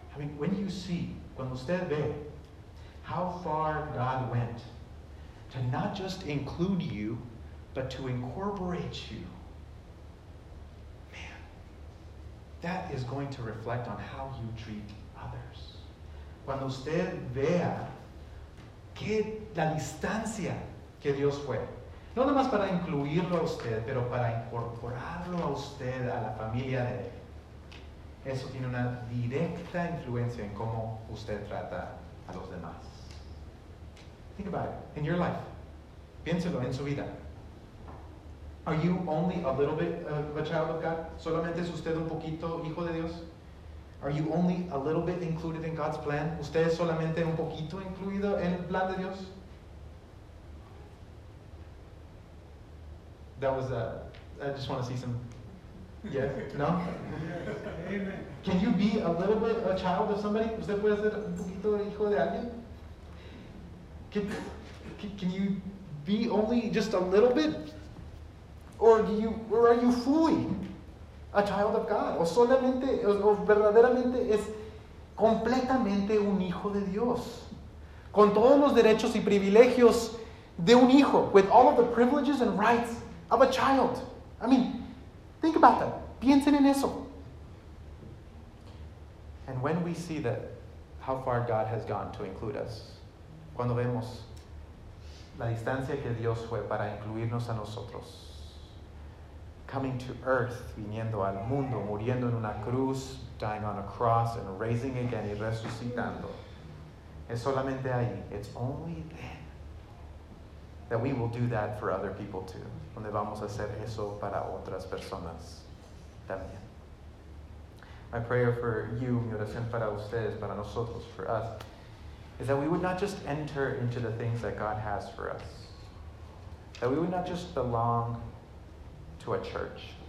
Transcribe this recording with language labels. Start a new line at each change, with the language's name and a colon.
English: I mean, when you see,
Spanish: cuando usted ve,
English: how far God went to not just include you, but to incorporate you, man, that is going to reflect on how you treat others.
Spanish: Cuando usted vea que la distancia que Dios fue, no nada más para incluirlo a usted, pero para incorporarlo a usted, a la familia de él. Eso tiene una directa influencia en cómo usted trata a los demás.
English: Think about it. In your life.
Spanish: Piénselo en su vida.
English: Are you only a little bit of a child of God?
Spanish: ¿Solamente es usted un poquito hijo de Dios?
English: Are you only a little bit included in God's plan?
Spanish: ¿Usted es solamente un poquito incluido en el plan de Dios?
English: That was I just want to see some Yes. No. Amen. Can you be a little bit a child of somebody?
Spanish: ¿Usted puede ser un poquito hijo de alguien?
English: Can you be only just a little bit? Or are you fully a child of God?
Spanish: ¿O solamente, o verdaderamente es completamente un hijo de Dios? Con todos los derechos y privilegios de un hijo.
English: With all of the privileges and rights of a child. I mean, think about that.
Spanish: Piensen en eso.
English: And when we see that, how far God has gone to include us.
Spanish: Cuando vemos la distancia que Dios fue para incluirnos a nosotros.
English: Coming to earth,
Spanish: viniendo al mundo, muriendo en una cruz,
English: dying on a cross, and raising again
Spanish: y resucitando. Es solamente ahí.
English: It's only then that we will do that for other people too.
Spanish: Donde vamos a hacer eso para otras personas también.
English: My prayer for you,
Spanish: mi oración para ustedes, para nosotros,
English: for us, is that we would not just enter into the things that God has for us. That we would not just belong to a church.